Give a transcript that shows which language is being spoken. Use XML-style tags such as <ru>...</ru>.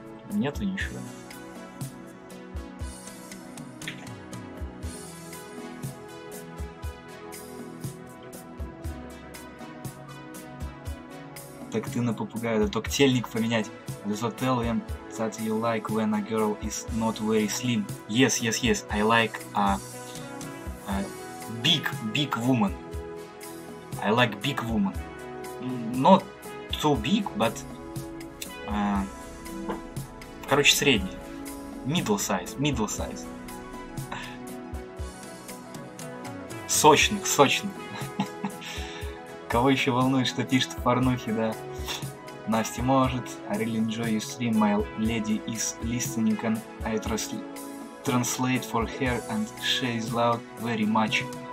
<ru>Нету ничего. Так ты на попугая, да только тельник поменять.</ru> <en>So tell him that you like when a girl is not very slim. Yes, yes, yes, I like a big woman. I like big woman. Not too big, but...</en> <ru>короче, средний.</ru> <en>Middle size.</en> <ru>Сочных. Кого еще волнует, что пишет в порнухе, да? Настя может.</ru> <en>I really enjoy your stream. My lady is listening and I translate for her and she is loud very much.</en>